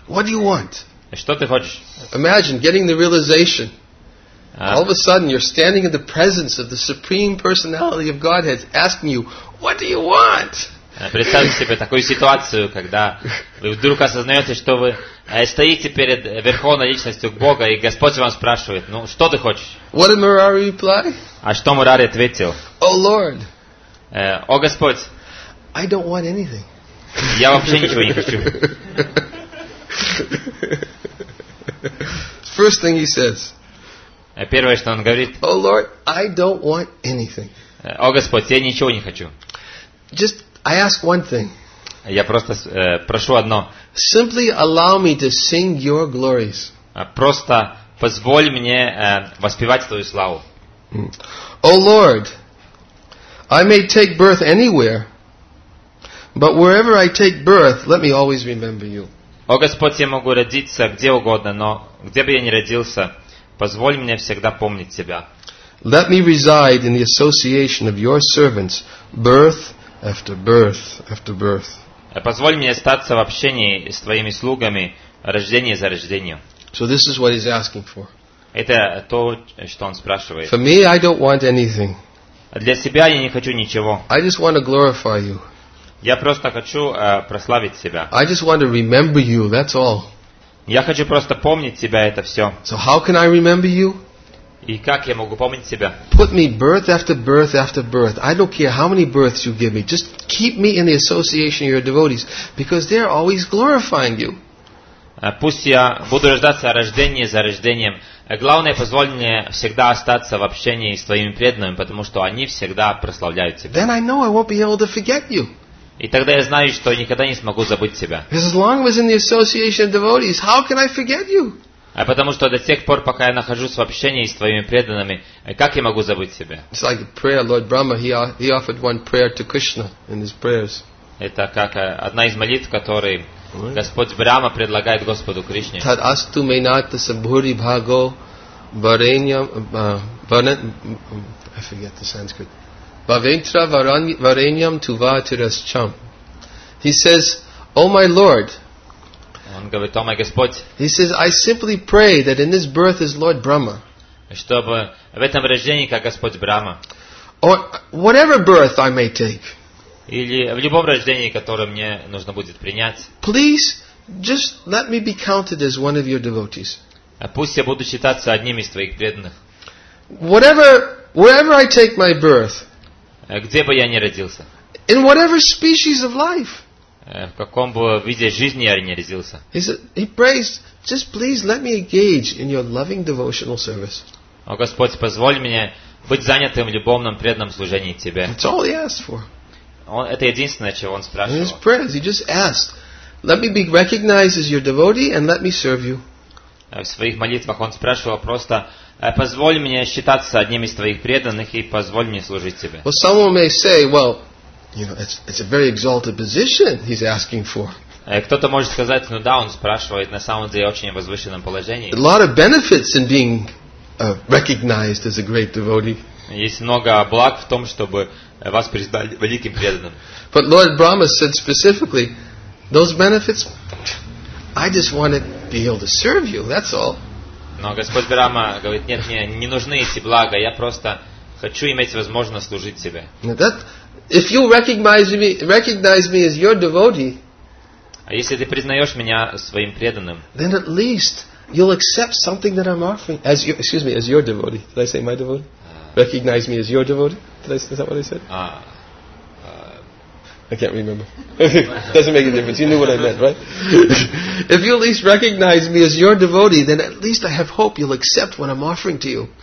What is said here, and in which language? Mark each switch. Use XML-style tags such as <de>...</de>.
<en>What do you want?</en> <ru>Что ты хочешь?</ru> <en>Imagine getting the realization. All of a sudden, you're standing in the presence of the Supreme Personality of Godhead, asking you, "What do you want?"</en> <ru>Представьте себе такую ситуацию, когда вы вдруг осознаете, что вы стоите перед Верховной Личностью Бога, и Господь вам спрашивает, ну, что ты хочешь?</ru> <en>What did Murari reply?</en> <ru>А что Мурари ответил?</ru> <en>Oh Lord.</en> <ru>О Господь.</ru> <en>I don't want anything.</en> <ru>Я вообще ничего не хочу.</ru> <en>First thing he says.</en> <ru>Первое, что он говорит.</ru> <en>Oh Lord, I don't want anything.</en> <ru>О Господь, я ничего не хочу.</ru> <en>Just I ask one thing.</en> <ru>Я просто прошу одно.</ru> <en>Simply allow me to sing your glories.</en> <ru>Просто позволь мне воспевать твою славу.</ru> <en>Oh Lord, I may take birth anywhere, but wherever I take birth, let me always remember you.</en> <ru>О Господь, я могу родиться где угодно, но где бы я ни родился, позволь мне всегда помнить тебя.</ru> <en>Let me reside in the association of your servants, birth after birth after birth.</en> <ru>Позволь мне остаться в общении с твоими слугами рождение за рождением.</ru> <en>So this is what he's asking for.</en> <ru>Это то, что он спрашивает.</ru> <en>For me, I don't want anything.</en> <ru>Для себя я не хочу ничего.</ru> <en>I just want to glorify you.</en> <ru>Я просто хочу прославить себя.</ru> <en>I just want to remember you, that's all.</en> <ru>Я хочу просто помнить себя, это все.</ru> <en>So how can I remember you?</en> <ru>И как я могу помнить себя?</ru> <en>Put me birth after birth after birth. I don't care how many births you give me. Just keep me in the association of your devotees, because they're always glorifying you.</en> <ru>Пусть я буду рождаться рождение за рождением. Главное, позволь мне всегда остаться в общении с твоими преданными, потому что они всегда прославляют тебя.</ru> <en>Then I know I won't be able to forget you.</en> <ru>И тогда я знаю, что никогда не смогу забыть тебя.</ru> <en>As long as in the association of devotees, how can I forget you?</en> <ru>А потому что до тех пор, пока я нахожусь в общении с твоими преданными, как я могу забыть себя?</ru> <en>It's like a prayer, Lord Brahma. He offered one prayer to Krishna in his prayers.</en> <ru>Это как одна из молитв, которые Господь Брама предлагает Господу Кришне.</ru> <sa>Tad astu menata sabhuri bhago varenyam varen.</sa> <en>I forget the Sanskrit.</en> <sa>Bhaventra varenyam tuva tirascham.</sa> <en>He says, "Oh my Lord."</en> <ru>Он говорит, о мой Господь.</ru> <en>He says, I simply pray that in this birth is Lord Brahma.</en> <ru>Чтобы в этом рождении как Господь Брама.</ru> <en>Or whatever birth I may take.</en> <ru>Или в любом рождении, которое мне нужно будет принять.</ru> <en>Please just let me be counted as one of your devotees.</en> <ru>Пусть я буду считаться одним из твоих преданных.</ru> <en>Whatever, wherever I take my birth.</en> <ru>Где бы я ни родился.</ru> <en>In whatever species of life.</en> <ru>В каком бы виде жизни я не родился.</ru> <en>He prays, just please let me engage in your loving devotional service.</en> <ru>О Господь, позволь мне быть занятым в любовном преданном служении Тебе.</ru> <en>That's all he asked for.</en> <ru>Это единственное, чего он спрашивал.</ru> <en>In his prayers, he just asked, let me be recognized as your devotee and let me serve you.</en> <ru>В своих молитвах он спрашивал просто, позволь мне считаться одним из твоих преданных и позволь мне служить Тебе.</ru> <en>Well, someone may say, well, you know, it's a very exalted position he's asking for.</en> <ru>Кто-то может сказать, ну да, он спрашивает на самом деле очень возвышенном положении.</ru> <en>A lot of benefits in being recognized as a great devotee.</en> <ru>Есть много благ в том, чтобы вас признали великим преданным.</ru> <en>But Lord Brahma said specifically, those benefits, I just want to be able to serve you. That's all.</en> <ru>Но Господь Брама говорит, нет, мне не нужны эти блага, я просто хочу иметь возможность служить себе.</ru> <en>If you recognize me as your devotee,</en> <ru>а если ты признаешь меня своим преданным,</ru> <en>then at least you'll accept something that I'm offering as your, excuse me, as your devotee. Did I say my devotee? Recognize me as your devotee. Did I say, is that what I said? I can't remember. Doesn't make a difference. You knew what I meant, right? If you at least recognize me as your devotee, then at least I have hope you'll accept what I'm offering to you.</en>